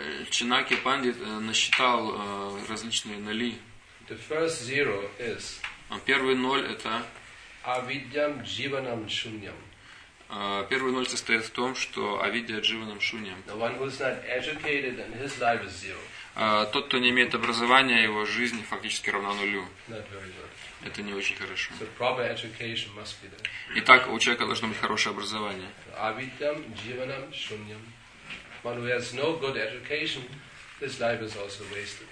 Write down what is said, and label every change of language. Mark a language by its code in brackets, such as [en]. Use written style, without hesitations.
[ru] Чанакья Пандит насчитал различные нули. [en] The first zero is. [ru] Первый ноль это. [sa] Авидьям дживанам шуньям. [ru] Первый ноль состоит в том, что [sa] авидья дживанам шуньям. [en] The one who is not educated and his life is zero. [ru] Тот, кто не имеет образования, его жизнь фактически равна нулю. [en] Not very good. [ru] Это не очень хорошо. [en] So proper education must be there. [ru] Итак, у человека должно быть хорошее образование. [sa] Авидьям дживанам шуньям. [en] One who has no good education, his life is also wasted.